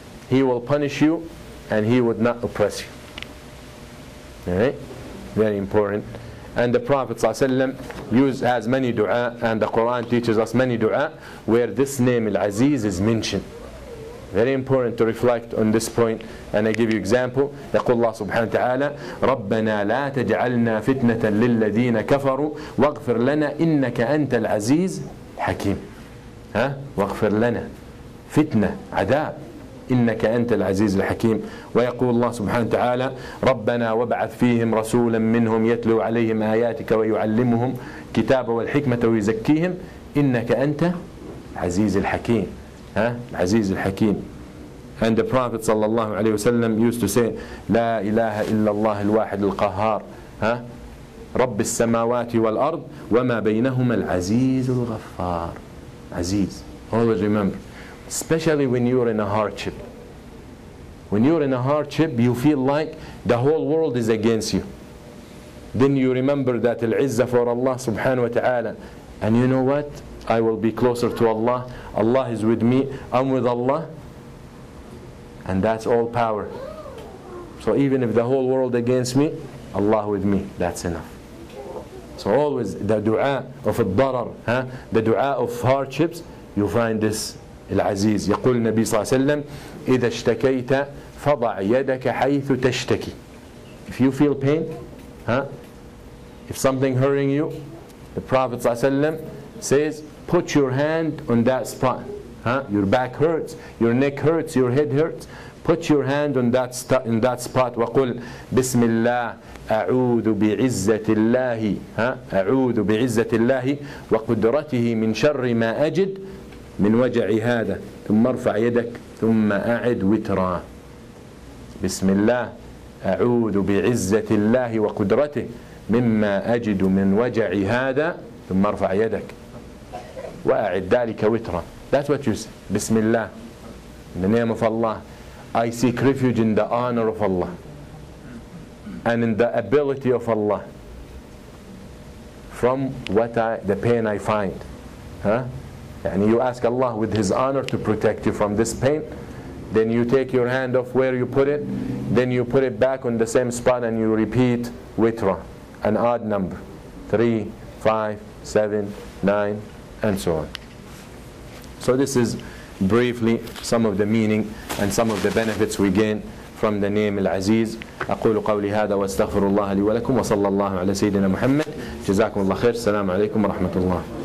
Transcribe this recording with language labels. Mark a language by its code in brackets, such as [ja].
[en] He will punish you and He would not oppress you. Alright? Very important. And the Prophet has many dua, and the Quran teaches us many dua where this name Al-Aziz is mentioned. Very important to reflect on this point. And I give you example. [ar] يقول الله سبحانه وتعالى ربنا لا تجعلنا فتنة للذين كفروا واغفر لنا إنك أنت العزيز حكيم. واغفر لنا فتنة عذاب إنك أنت العزيز الحكيم ويقول الله سبحانه وتعالى ربنا وابعث فيهم رسولا منهم يتلو عليهم آياتك ويعلمهم كتاب والحكمة ويزكيهم إنك أنت عزيز الحكيم عزيز الحكيم [en] and the prophet [ar] صلى الله عليه وسلم used to say لا إله إلا الله الواحد القهار رب السماوات والأرض وما بينهما العزيز الغفار [en] Aziz, always remember, especially when you're in a hardship. When you're in a hardship, you feel like the whole world is against you. Then you remember that al-izzah for Allah subhanahu wa ta'ala. And you know what? I will be closer to Allah. Allah is with me. I'm with Allah. And that's all power. So even if the whole world against me, Allah with me. That's enough. So always the dua of al-darar, huh? The dua of hardships, you find this. [ar] Al-Aziz, يقول النبي صلى الله عليه وسلم, إذا اشتكيت فضع يدك حيث تشتكي. [en] If you feel pain, huh? If something hurting you, the Prophet صلى الله عليه وسلم says, put your hand on that spot. Huh? Your back hurts, your neck hurts, your head hurts. Put your hand on that spot. [ar] وقل بسم الله أعوذ بعزة الله. Huh? أعوذ بعزة الله وقدرته من شر ما أجد من وجع هذا. ثم ارفع يدك ثم أعد وترا. بسم الله أعوذ بعزة الله وقدرته مما أجد من وجع هذا ثم ارفع يدك وأعد ذلك وترا. [en] That's what you say. [ar] بسم الله. [en] In the name of Allah, I seek refuge in the honor of Allah and in the ability of Allah from what the pain I find. Huh? And you ask Allah with His honor to protect you from this pain. Then you take your hand off where you put it. Then you put it back on the same spot and you repeat witra, an odd number. 3, 5, 7, 9, and so on. So this is briefly some of the meaning and some of the benefits we gain from the name Al-Aziz. [ar] أقول قولي هذا واستغفر الله لي ولكم وصلى الله على سيدنا محمد. جزاكم الله خير. السلام عليكم ورحمة الله.